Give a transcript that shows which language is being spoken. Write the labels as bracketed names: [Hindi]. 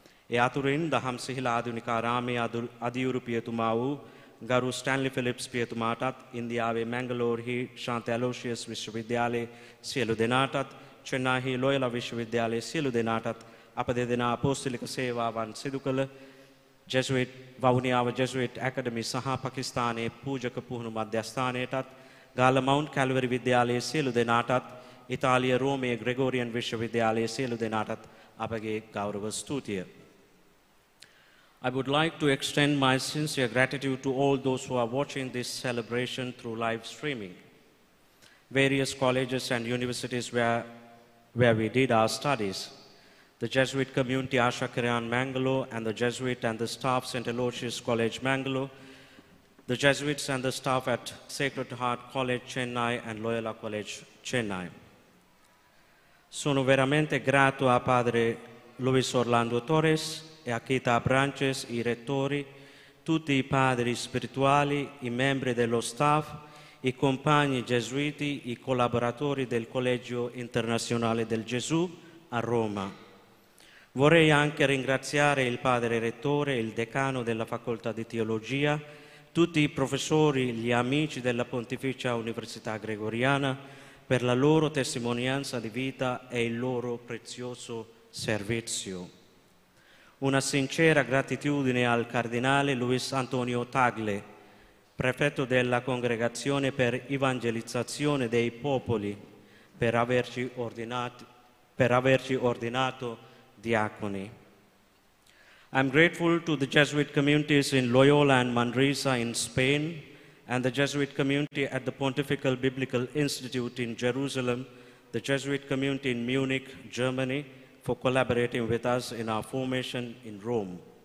[Sinhala] ඒ අතුරින් දහම් සිහිල ආධුනිකාරාමයේ අදියුරු පියතුමා වූ ගරු ස්ටැන්ලි ෆිලිප්ස් පියතුමාටත් ඉන්දියාවේ මැංගලෝර්හි ශාන්ත ඇලෝෂියස් විශ්වවිද්‍යාලයේ සියලු දෙනාටත් චෙන්නාහි ලොයල විශ්වවිද්‍යාලයේ සියලු දෙනාටත් අප දෙදෙනා අපෝස්තුලික සේවාවන් සිදු කළ ජෙසුවිට් වවුනියාව ජෙසුවිට් අකඩමි සහ පකිස්තානයේ පූජක පුහුණු මධ්‍යස්ථානයටත් ගාල මවුන්ට් කැලවරි විද්‍යාලයේ සියලු දෙනාටත් ඉතාලිය රෝමයේ ග්‍රෙගෝරියන් විශ්වවිද්‍යාලයේ සියලු දෙනාටත් අපගේ ගෞරව ස්තුතිය. [English] I would like to extend my sincere gratitude to all those who are watching this celebration through live streaming. Various colleges and universities where we did our studies, the Jesuit community Asha Kiran Mangalore and the Jesuit and the staff St. Aloysius College Mangalore, the Jesuits and the staff at Sacred Heart College Chennai and Loyola College Chennai. [Italian] Sono veramente grato a Padre Luis Orlando Torres e a Kita Branches, i rettori, tutti i padri spirituali, i membri dello staff, i compagni gesuiti, i collaboratori del Collegio Internazionale del Gesù a Roma. Vorrei anche ringraziare il padre rettore, il decano della Facoltà di Teologia, tutti i professori, gli amici della Pontificia Università Gregoriana per la loro testimonianza di vita e il loro prezioso servizio. Una sincera gratitudine al Cardinale Luis Antonio Tagle, prefetto della Congregazione per Evangelizzazione dei Popoli, per averci ordinato diaconi. [English] I'm grateful to the Jesuit communities in Loyola and Manresa in Spain, and the Jesuit community at the Pontifical Biblical Institute in Jerusalem, the Jesuit community in Munich, Germany, for collaborating with us in our formation in Rome.